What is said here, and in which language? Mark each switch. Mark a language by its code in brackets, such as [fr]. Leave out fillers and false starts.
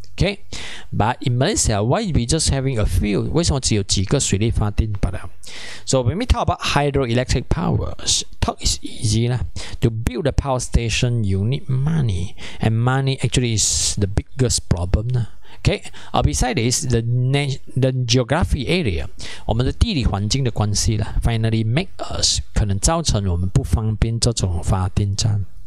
[en] Okay, but in Malaysia, why we just having a few? [zh] 为什么只有几个水力发电罢了？ [en] So when we talk about hydroelectric power, talk is easy lah. To build a power station, you need money, and money actually is the biggest problem lah. Okay, besides this, the geography area, [zh] 我们的地理环境的关系啦, [en] finally make us, [zh] 可能造成我们不方便这种发电站。